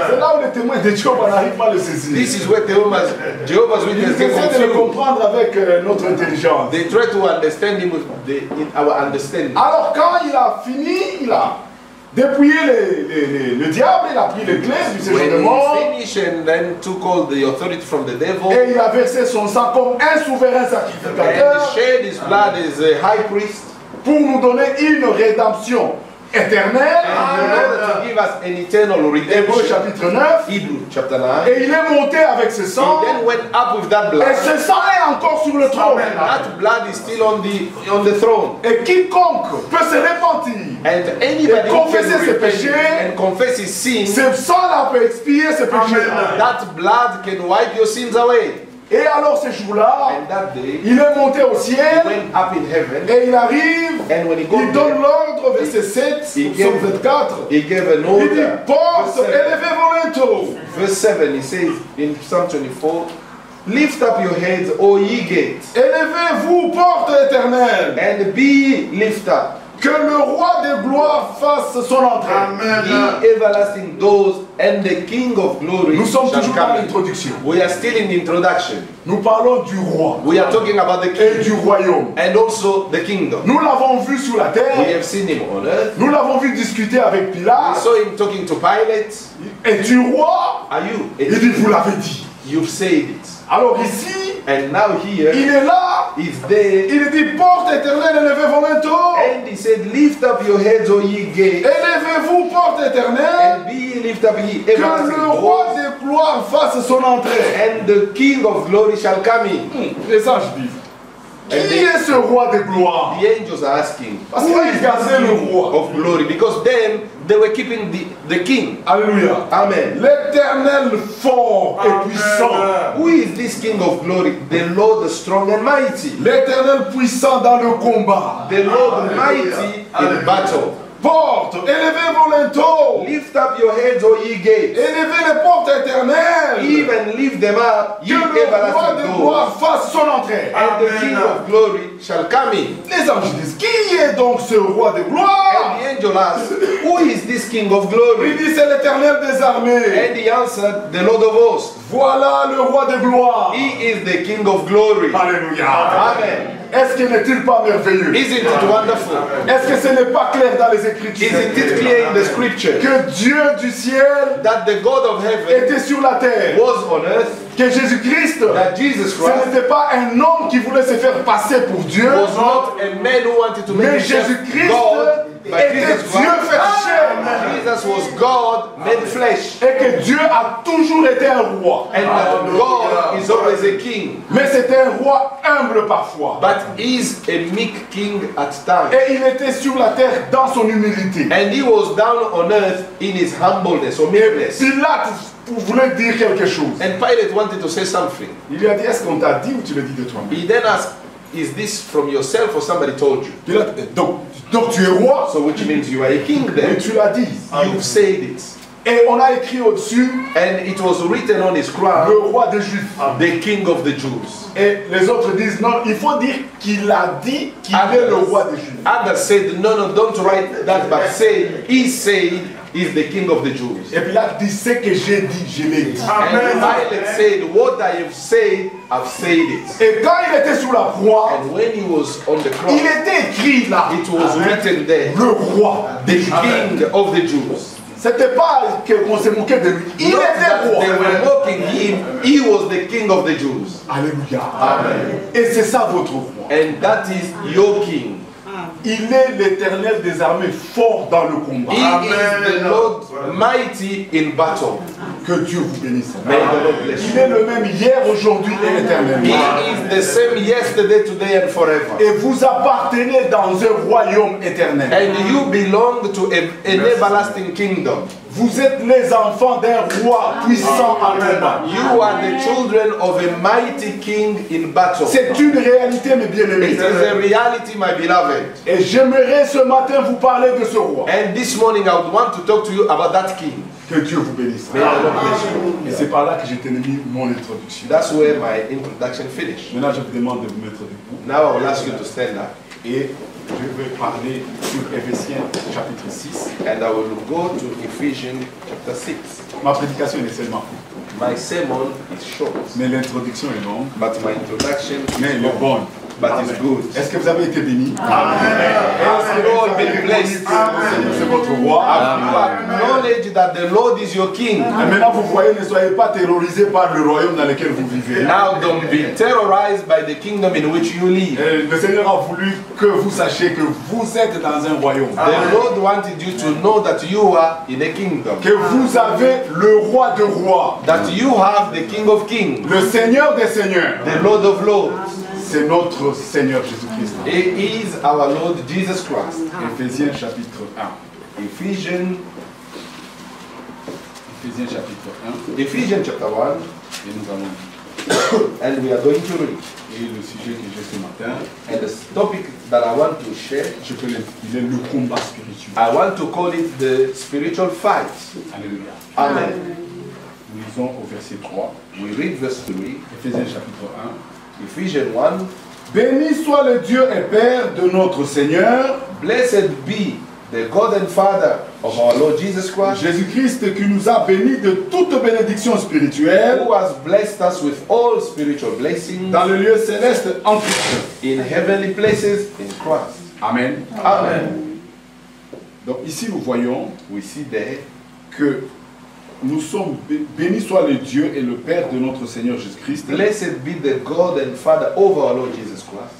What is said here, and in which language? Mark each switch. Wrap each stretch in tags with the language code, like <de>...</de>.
<fr>C'est là où les témoins de Jéhovah n'arrivent pas à le saisir.</fr> <en>This is where Jehovah's Witnesses</en> <fr>essaie de le comprendre avec notre intelligence.</fr> <en>They try to understand him with the, in our understanding.</en> <fr>Alors quand il a fini, il a dépouillé le diable, il a pris les clés du séjour de mort.</fr> <en>When he rich and then took all the authority from the devil.</en> <fr>Et il a versé son sang comme un souverain sacrificateur.</fr> <en>And he shed his blood as a high priest.</en> <fr>Pour nous donner une rédemption éternelle.</fr> <en>And in order to give us an eternal redemption.</en> <fr>Hébreux chapitre 9.</fr> <en>Hebrews chapter 9.</en> <fr>Et il est monté avec ce sang.</fr> <en>He then went up with that blood.</en> <fr>Et ce sang est encore sur le trône.</fr> <en>And that blood is still on the throne.</en> <fr>Et quiconque peut se repentir.</fr> <en>And anybody</en> <fr>et confesser ses péchés.</fr> <en>And confess his sin.</en> <fr>Ce sang là peut expier ses péchés.</fr> <en>That blood can wipe your sins away.</en> <fr>Et alors ce jour-là,</fr> <en>day,</en> <fr>il est monté au ciel,</fr> <en>heaven,</en> <fr>et il arrive,</fr> <en>and when he got</en> <fr>il donne l'ordre, verset 7, sur 24,</fr> <en>he gave an order,</en> <fr>il dit, porte, élevez vos linteaux.</fr> <en>Verse 7,</en> <fr>il dit,</fr> <en>in Psalm 24, lift up your heads, O ye gates,</en> <fr>élevez-vous, porte éternelle,</fr> <en>and be lift up,</en> <fr>que le roi des gloires fasse son entrée.</fr> <en>Amen. The everlasting doors and the King of glory.</en> <fr>Nous sommes toujours dans l'introduction.</fr> <en>We are still in the introduction.</en> <fr>Nous parlons du roi.</fr> <en>We are talking about the king.</en> <fr>Et du royaume.</fr> <en>And also the kingdom.</en> <fr>Nous l'avons vu sur la terre.</fr> <en>We have seen him on earth.</en> <fr>Nous l'avons vu discuter avec Pilate.</fr> <en>We saw him talking to Pilate.</en> <fr>Et du roi.</fr> <en>Are you?</en> <fr>Il dit, vous l'avez dit.</fr> <en>You've said it.</en> <fr>Alors ici,</fr> <en>and now here,</en> <fr>il est là,</fr> <en>he's there,</en> <fr>il dit, porte éternelle, élevez vos linteaux.</fr> <en>And he said, lift up your heads, O ye gates.</en> <fr>Élevez-vous, porte éternelle.</fr> <en>And be lift up ye everlasting.</en> <fr>Que le roi de gloire fasse son entrée.</fr> <en>And the King of glory shall come in.</en> <fr>Les anges disent, qui est ce roi de gloire?</fr> <en>The angels are asking,</en> <fr>où est gardé le roi</fr> <en>of glory? Because then they were keeping the king.</en> <fr>Alléluia.</fr> <en>Amen.</en> <fr>L'éternel fort et puissant.</fr> <en>Who is this king of glory? The Lord strong and mighty.</en> <fr>L'éternel puissant dans le combat.</fr> <en>The Lord mighty in battle.</en> <fr>Porte, élevez vos linteaux.</fr> <en>Lift up your heads, O ye gates.</en> <fr>Élevez les portes éternelles.</fr> <en>Even lift them up, ye everlasting doors.</en> <fr>Que le roi de gloire fasse son entrée.</fr> <en>And the King of glory shall come in.</en> <fr>Les anges disent, qui est donc ce roi de gloire?</fr> <en>And the angel asked, who is this King of glory?</en> <fr>Il dit, c'est l'éternel des armées.</fr> <en>And he answered, the Lord of hosts.</en> <fr>Voilà le roi de gloire.</fr> <en>He is the King of glory.</en> <fr>Alléluia.</fr> <en>Amen.</en> <fr>Est-ce qu'il n'est-il pas merveilleux?</fr> <en>Isn't it wonderful?</en> <fr>Est-ce que ce n'est pas clair dans les Écritures?</fr> <en>Isn't it clear in the Scripture?</en> <fr>Que Dieu du ciel,</fr> <en>that the God of heaven,</en> <fr>était sur la terre,</fr> <en>was on earth,</en> <fr>que Jésus-Christ,</fr> <en>that Jesus Christ,</en> <fr>ce n'était pas un homme qui voulait se faire passer pour Dieu,</fr> <en>was not a man who wanted to make</en> <fr>mais Jésus-Christ</fr> <en>God,</en> <fr>était</fr> <en>Jesus</en> <fr>Dieu fait chair.</fr> <en>Jesus was God made flesh.</en> <fr>Et que Dieu a toujours été un roi.</fr> <en>And that God is always a king.</en> <fr>Mais c'était un roi humble parfois.</fr> <en>But he's a meek king at times.</en> <fr>Et il était sur la terre dans son humilité.</fr> <en>And he was down on earth in his humbleness or meekness.</en> <fr>Pilate voulait dire quelque chose.</fr> <en>And Pilate wanted to say something.</en> <fr>Il lui a dit, est-ce qu'on t'a dit ou tu le dis de toi-même?</fr> <en>He then asked, is this from yourself or somebody told you?</en> <fr>Pilate, donc tu es roi.</fr> <en>So which means you are a king then.</en> <fr>Mais tu l'as dit.</fr> <en>You've said it.</en> <fr>Et on a écrit au-dessus.</fr> <en>And it was written on his crown.</en> <fr>Le roi des Juifs.</fr> <en>The king of the Jews.</en> <fr>Et les autres disent, non, il faut dire qu'il a dit qu'il</fr> <en>others,</en> <fr>est le roi des Juifs.</fr> <en>Others said, no, no, don't write that, but say, he said, is the king of the Jews.</en> <fr>Et Pilate dit, ce que j'ai dit, je l'ai dit.</fr> <en>And Pilate said, what I have said, I've said it.</en> <fr>Et quand il était sur la croix,</fr> <en>and when he was on the cross,</en> <fr>il était écrit là,</fr> <en>it was written there,</en> <fr>le roi,</fr> <en>the king of the Jews.</en> <fr>C'était pas qu'on s'est moqué de lui. Il</fr> <en>not</en> <fr>était roi.</fr> <en>They were mocking him. He was the king of the Jews.</en> <fr>Alléluia.</fr> <en>Amen.</en> <fr>Et c'est ça votre roi.</fr> <en>And that is your king.</en> <fr>Il est l'éternel des armées, fort dans le combat.</fr> <en>He Amen. Is the Lord mighty in battle.</en> <fr>Que Dieu vous bénisse.</fr> <en>May the Lord bless you.</en> <fr>Il est le même hier, aujourd'hui et éternellement.</fr> <en>He is the same yesterday, today and forever.</en> <fr>Et vous appartenez dans un royaume éternel.</fr> <en>And you belong to an everlasting kingdom.</en> <fr>Vous êtes les enfants d'un roi puissant en combat.</fr> <en>You are the children of a mighty king in battle.</en> <fr>C'est une réalité, mes bien-aimés.</fr> <en>It is a reality, my beloved.</en> <fr>Et j'aimerais ce matin vous parler de ce roi.</fr> <en>And this morning I would want to talk to you about that king.</en> <fr>Que Dieu vous bénisse.</fr> <en>May God bless you.</en> <fr>Et c'est par là que j'ai terminé mon introduction.</fr> <en>That's where my introduction finished.</en> <fr>Maintenant, je vous demande de vous mettre debout.</fr> <en>Now I will ask you to stand up.</en> <fr>Et je vais parler sur Éphésiens chapitre 6.</fr> <en>And I will go to Ephesians chapter 6.</en> <fr>Ma prédication est seulement courte.</fr> <en>My sermon is short.</en> <fr>Mais l'introduction est longue.</fr> <en>But my introduction</en> <fr>mais</fr> <en>is</en> <fr>le bon.</fr> <en>but it's good.</en> <fr>Est-ce que vous avez été béni?</fr> <en>Amen. Has the Lord been blessed?</en> <fr>C'est votre voix.</fr> <en>Acknowledge that the Lord is your King.</en> <fr>Et maintenant vous voyez, ne soyez pas terrorisés par le royaume dans lequel vous vivez.</fr> <en>Now don't be terrorized by the kingdom in which you live.</en> <fr>Le Seigneur a voulu que vous sachiez que vous êtes dans un royaume.</fr> <en>The Lord wanted you to know that you are in a kingdom.</en> <fr>Que vous avez le roi de rois.</fr> <en>That you have the King of Kings.</en> <fr>Le Seigneur des Seigneurs.</fr> <en>The Lord of Lords.</en> <fr>C'est notre Seigneur Jésus-Christ.</fr> <en>He is our Lord Jesus Christ.</en> <fr>Ephésiens chapitre 1. Ephésiens chapitre 1. Ephésiens chapitre 1. Et nous allons.</fr> <en>And we are going to read.</en> <fr>Et le sujet que j'ai ce matin.</fr> <en>And the topic that I want to share.</en> <fr>Je peux l'intituler le combat spirituel.</fr> <en>I want to call it the spiritual fight.</en> <fr>Alléluia.</fr> <en>Amen.</en> <fr>Nous lisons au verset 3.</fr> <en>We read verse 3.</en> <fr>Ephésiens chapitre 1. Ephésiens 1. Béni soit le Dieu et Père de notre Seigneur.</fr> <en>Blessed be the God and Father of our Lord Jesus Christ.</en> <fr>Jésus Christ qui nous a bénis de toute bénédiction spirituelle.</fr> <en>Who has blessed us with all spiritual blessings.</en> <fr>Dans le lieu céleste en Christ.</fr> <en>In heavenly places in Christ. Amen. Amen.</en> <fr>Donc ici nous voyons.</fr> <en>We see there.</en> <fr>Que nous sommes bénis soit le Dieu et le Père de notre Seigneur Jésus Christ.</fr> <en>Blessed be the God and Father of our Lord Jesus Christ.</en>